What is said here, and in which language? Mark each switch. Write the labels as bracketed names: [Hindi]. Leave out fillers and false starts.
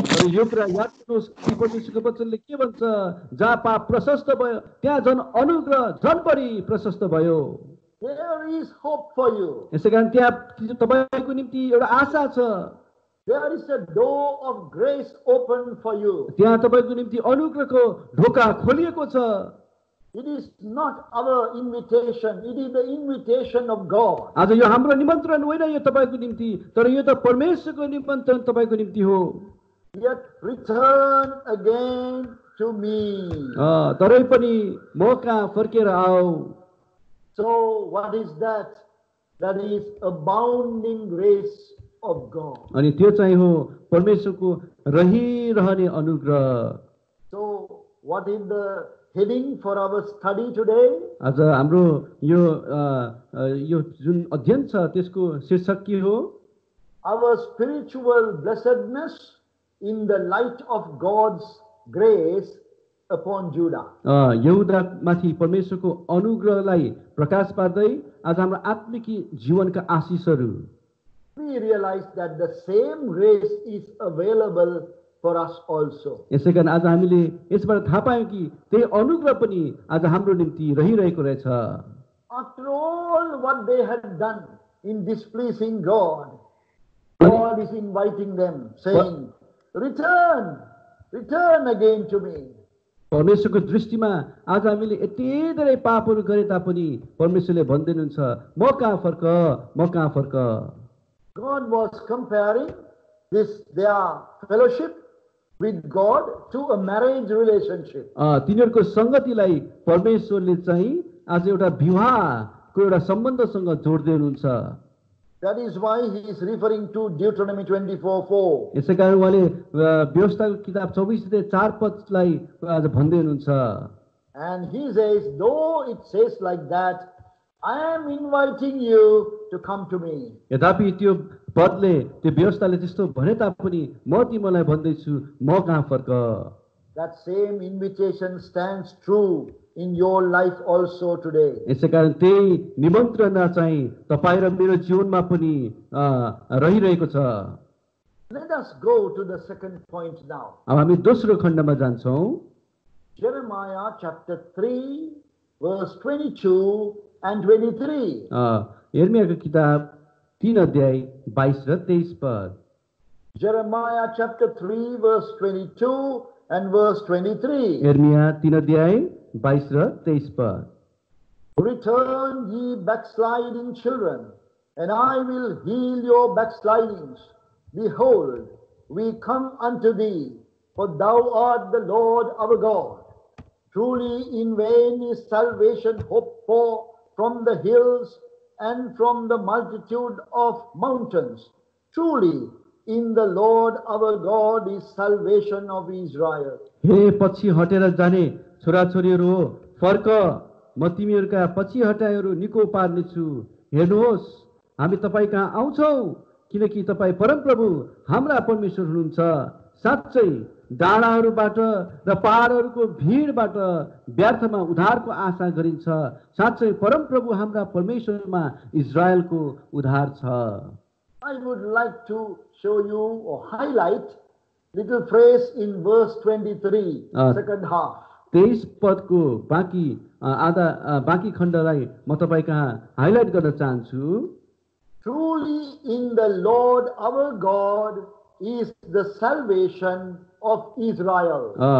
[Nepali] यो कुरा याद गर्नुहोस् कि परमेश्वरको वचनले के भन्छ जहाँ पाप प्रशस्त भयो त्यहाँ झन् अनुग्रह झन् बढी प्रशस्त भयो. [English] There is hope for you. [Nepali] यसै कारण त्यहाँ तपाईँको निम्ति एउटा आशा छ. [English] There is a door of grace open for you. [Nepali] त्यहाँ तपाईँको निम्ति अनुग्रहको ढोका खोलिएको छ. [English] It is not our invitation, it is the invitation of God. [Nepali] आज यो हाम्रो निमन्त्रण होइन यो तपाईको निम्ति तर यो त परमेश्वरको निमन्त्रण तपाईको निम्ति हो. [English] Yet return again to me. [Nepali] तरै पनि म कहाँ फर्केर आऊ. [English] So what is that? That is abounding grace of God. [Nepali] अनि त्यो चाहिँ हो परमेश्वरको रहिरहने अनुग्रह. [English] So what is the heading for our study today? [Nepali] आज हाम्रो यो यो जुन अध्ययन छ त्यसको शीर्षक के हो? [English] Our spiritual blessedness in the light of God's grace upon Judah. [Nepali] यहुदा माथि परमेश्वरको अनुग्रहलाई प्रकाश पार्दै आज हाम्रो आत्मिक जीवनका आशिषहरू. [English] We realize that the same grace is available for us also. [Nepali] यसैकारण आज हामीले यसबाट थाहा पायौँ कि त्यही अनुग्रह पनि आज हाम्रो निम्ति रहिरहेको रहेछ. [English] After all what they had done in displeasing God, God is inviting them, saying, "Return, return again to me." [Nepali] परमेश्वरको दृष्टिमा आज हामीले यति धेरै पापहरू गरे तापनि परमेश्वरले भन्दिनुहुन्छ म कहाँ फर्क म कहाँ फर्क. [English] God was comparing this their fellowship with God to a marriage relationship. [Nepali] तिनीहरूको संगतिलाई परमेश्वरले चाहिँ आज एउटा विवाहको एउटा सम्बन्धसँग जोड्दै हुनुहुन्छ. [English] That is why he is referring to Deuteronomy 24:4. [Nepali] यसैकारण उहाँले व्यवस्थाको किताब 24 अध्याय 4 पदलाई आज भन्दै हुनुहुन्छ. [English] And he says, though it says like that, I am inviting you to come to me. [Nepali] यद्यपि त्यो पदले त्यो व्यवस्थाले त्यस्तो भने तापनि म तिमीलाई भन्दैछु म कहाँ फर्क. [English] That same invitation stands true in your life also today. [Nepali] यसकारण त्यही निमन्त्रणा चाहिँ तपाई र मेरो जीवनमा पनि रहिरहेको छ. [English] Let us go to the second point now. [Nepali] अब हामी दोस्रो खण्डमा जान्छौँ. [English] Jeremiah chapter 3 verse 22 and 23. [Nepali] यर्मियाको किताब 3 अध्याय 22 र 23 पद. [English] Jeremiah chapter 3 verse 22 and verse 23. [Nepali] यर्मिया 3 अध्याय 22 र 23 पद. [English] Return ye backsliding children, and I will heal your backslidings. Behold, we come unto thee, for thou art the Lord our God. Truly in vain is salvation hoped for from the hills and from the multitude of mountains. Truly in the Lord our God is salvation of Israel. [Nepali] हे पछि हटेर जाने छोराछोरीहरू फर्क म तिमीहरूका पछि हटाएहरू निको पार्नेछु हेर्नुहोस् हामी तपाईँ कहाँ आउँछौँ किनकि तपाईँ परमप्रभु हाम्रा परमेश्वर हुनुहुन्छ साँच्चै डाँडाहरूबाट र पहाडहरूको भिडबाट व्यर्थमा उद्धारको आशा गरिन्छ साँच्चै परमप्रभु हाम्रा परमेश्वरमा इजरायलको उद्धार छ [English] I would like to show you or highlight little phrase in verse 23, second half. [Nepali] 23 पदको बाँकी आधा बाँकी खण्डलाई म तपाईँ कहाँ हाइलाइट गर्न चाहन्छु [English] Truly in the Lord our God is the salvation of Israel.